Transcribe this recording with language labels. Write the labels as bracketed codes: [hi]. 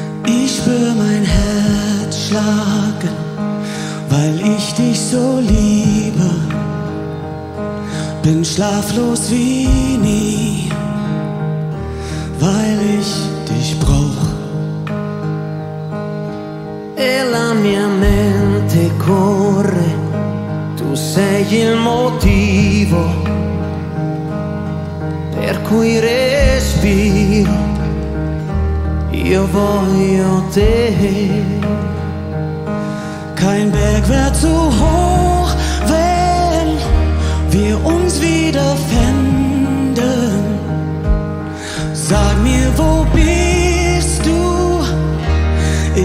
[de] erschlagen, weil ich dich so liebe. Bin schlaflos wie nie, weil ich dich brauch. [it] E la mia mente corre, tu sei il motivo per cui respiro. Io voglio te. [de] Kein Berg wär zu hoch, wenn wir uns wieder fänden. Sag mir, wo bist du?